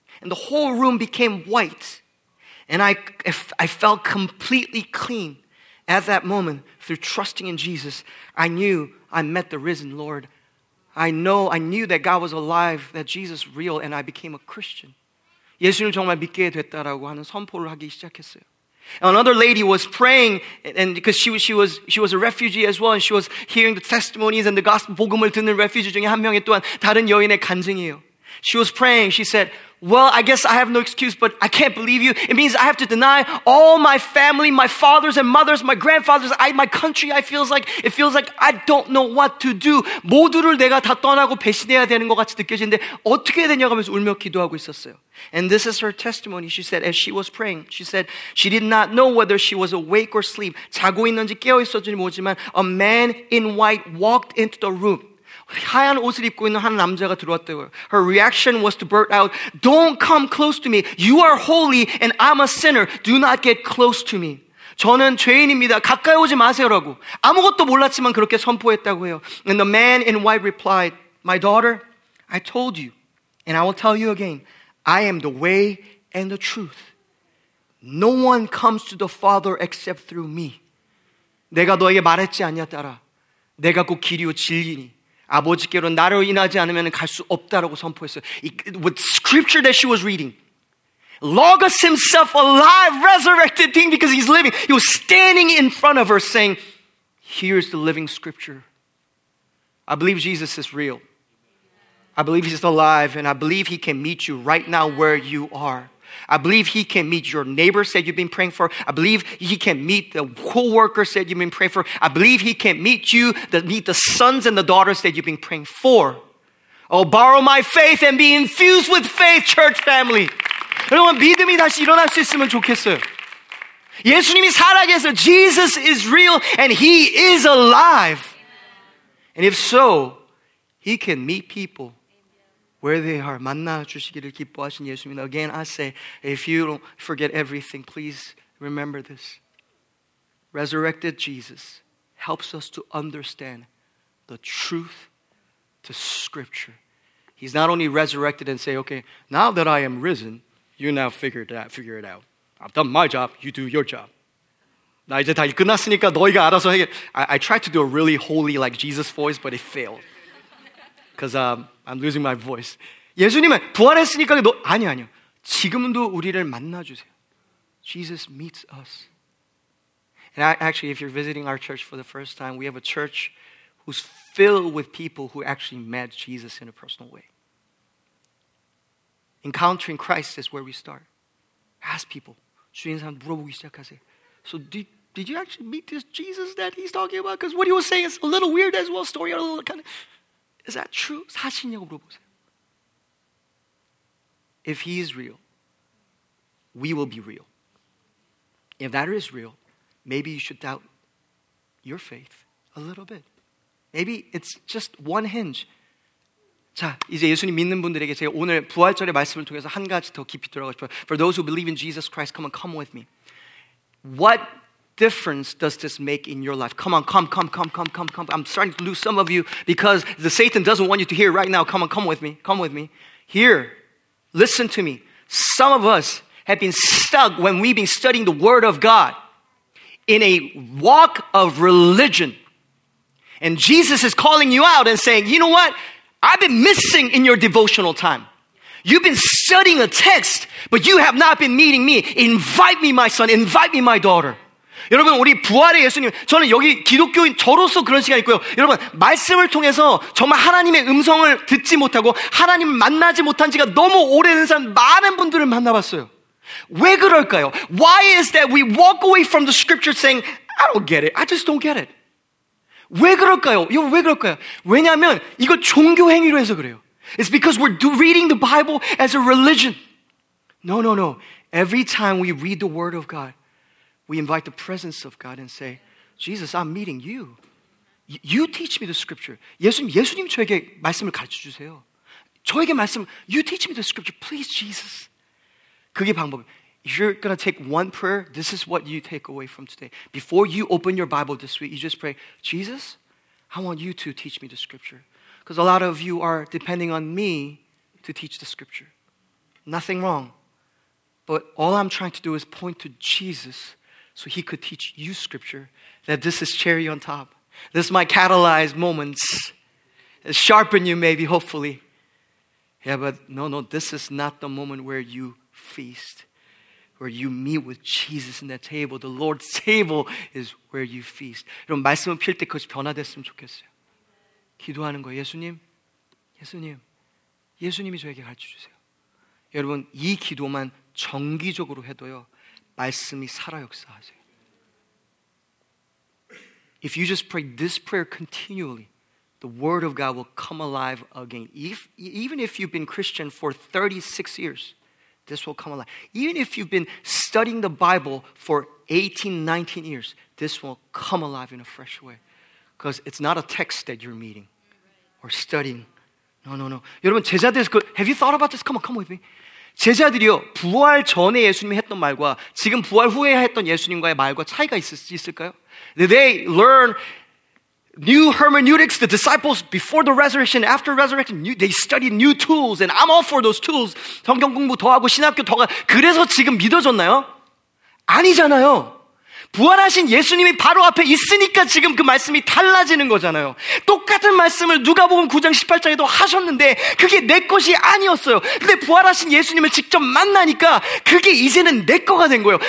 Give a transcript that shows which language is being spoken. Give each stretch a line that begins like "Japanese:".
English: And the whole room became white. And I felt completely clean at that moment through trusting in Jesus. I knew I met the risen Lord. I knew that God was alive, that Jesus was real, and I became a Christian.
Korean: 예수님을 정말 믿게 됐다라고 하는 선포를 하기 시작했어요.
English: Another lady was praying, and because she was a refugee as well, and she was hearing the testimonies and the gospel
Korean: 복음을 듣는 refugee 중에 한 명이 또한 다른 여인의 간증이에요.
English: She was praying. She said, "Well, I guess I have no excuse, but I can't believe you. It means I have to deny all my family, my fathers and mothers, my grandfathers, my country. It feels like I don't know what to do.
Korean: 모두를 내가 다 떠나고 배신해야 되는 것 같이 느껴지는데 어떻게 되냐 하면서 울며 기도하고 있었어요.
English: And this is her testimony. She said, as she was praying, she said she did not know whether she was awake or asleep.
Korean: 자고 있는지 깨어 있었는지 모르지만
English: a man in white walked into the room.
Korean: 하얀 옷을 입고 있는 한 남자가 들어왔대요.
English: Her reaction was to blurt out, "Don't come close to me. You are holy and I'm a sinner. Do not get close to me."
Korean: 저는 죄인입니다. 가까이 오지 마세요라고. 아무것도 몰랐지만 그렇게 선포했다고 해요.
English: And the man in white replied, "My daughter, I told you and I will tell you again. I am the way and the truth. No one comes to the Father except through me."
Korean: 내가 너에게 말했지 않냐, 딸아. 내가 곧 길이요 진리니 아버지께로 나를 인하지 않으면 갈 수 없다라고 선포했어요.
English: With scripture that she was reading, Logos himself alive, resurrected thing because he's living. He was standing in front of her saying, "Here's the living scripture. I believe Jesus is real. I believe he's alive and I believe he can meet you right now where you are. I believe he can meet your neighbors that you've been praying for. I believe he can meet the co-workers that you've been praying for. I believe he can meet you, meet the sons and the daughters that you've been praying for. Oh, borrow my faith and be infused with faith, church family."
Korean: 여러분, 믿음이 다시 일어날 수 있으면 좋겠어요. 예수님이 살아계세요.
English: Jesus is real and he is alive. And if so, he can meet people where they are,
Korean: 만나 주시기를 기뻐하신 예수입니다.
English: Again, I say, if you don't forget everything, please remember this. Resurrected Jesus helps us to understand the truth to Scripture. He's not only resurrected and say, okay, now that I am risen, you now figure it out. I've done my job, you do your job.
Korean: 나 이제 다 끝났으니까 너희가 알아서 해.
English: I tried to do a really holy like Jesus voice, but it failed. Because I'm losing my voice.
Korean: 예수님은 부활했으니까 아니요. 지금도 우리를 만나주세요.
English: Jesus meets us. And if you're visiting our church for the first time, we have a church who's filled with people who actually met Jesus in a personal way. Encountering Christ is where we start. Ask people.
Korean: 주인 사람 물어보기 시작하세요.
English: So did you actually meet this Jesus that he's talking about? Because what he was saying is a little weird as well. Story a little kind of... Is that true?
Korean: 사실이냐고 물어보세요.
English: If he is real, we will be real. If that is real, maybe you should doubt your faith a little bit. Maybe it's just one hinge.
Korean: 자, 이제 예수님 믿는 분들에게 제가 오늘 부활절의 말씀을 통해서 한 가지 더 깊이 들어가고 싶어요.
English: For those who believe in Jesus Christ, come and come with me. What difference does this make in your life? Come on, come. I'm starting to lose some of you because the Satan doesn't want you to hear right now. Come on, come with me. Here, listen to me. Some of us have been stuck when we've been studying the Word of God in a walk of religion. And Jesus is calling you out and saying, you know what? I've been missing in your devotional time. You've been studying a text, but you have not been meeting me. Invite me, my son. Invite me, my daughter.
Korean: 여러분 우리 부활의 예수님 저는 여기 기독교인 저로서 그런 시간이 있고요 여러분 말씀을 통해서 정말 하나님의 음성을 듣지 못하고 하나님을 만나지 못한 지가 너무 오래된 사람 많은 분들을 만나봤어요 왜 그럴까요?
English: Why is that we walk away from the scripture saying I don't get it,
Korean: I just don't get it 왜 그럴까요? 이거 왜 그럴까요? 왜냐하면 이거 종교 행위로 해서 그래요.
English: It's because we're reading the Bible as a religion. No, no, no. Every time we read the Word of God, we invite the presence of God and say, Jesus, I'm meeting you. You teach me the scripture.
Korean: 예수님 저에게 말씀을 가르쳐주세요. 저에게 말씀,
English: you teach me the scripture. Please, Jesus.
Korean: 그게 방법이에요.
English: If you're going to take one prayer, this is what you take away from today. Before you open your Bible this week, you just pray, Jesus, I want you to teach me the scripture. Because a lot of you are depending on me to teach the scripture. Nothing wrong. But all I'm trying to do is point to Jesus so he could teach you scripture, that this is cherry on top. This might catalyze moments, sharpen you maybe, hopefully. Yeah, but no, no, this is not the moment where you feast, where you meet with Jesus in that table. The Lord's table is where you feast.
Korean: 여러분, 말씀을 필 때 그것이 변화됐으면 좋겠어요. 기도하는 거예요. 예수님이 저에게 가르쳐주세요. 여러분, 이 기도만 정기적으로 해도요, 말씀이 살아 역사하세요.
English: If you just pray this prayer continually, the word of God will come alive again. Even if you've been Christian for 36 years, this will come alive. Even if you've been studying the Bible for 18, 19 years, this will come alive in a fresh way. Because it's not a text that you're meeting or studying. No, no, no.
Korean: 여러분, 제자들,
English: have you thought about this? Come on with me.
Korean: 제자들이요, 부활 전에 예수님이 했던 말과 지금 부활 후에 했던 예수님과의 말과 차이가 있을까요?
English: Did they learn new hermeneutics, the disciples before the resurrection, after resurrection? They studied new tools, and I'm all for those tools.
Korean: 성경 공부 더 하고 신학교 더 가. 그래서 지금 믿어졌나요? 아니잖아요. 부활하신 예수님이 바로 앞에 있으니까 지금 그 말씀이 달라지는 거잖아요. 똑같은 말씀을 누가복음 9장 18장에도 하셨는데 그게 내 것이 아니었어요. 근데 부활하신 예수님을 직접 만나니까 그게 이제는 내 거가 된 거예요.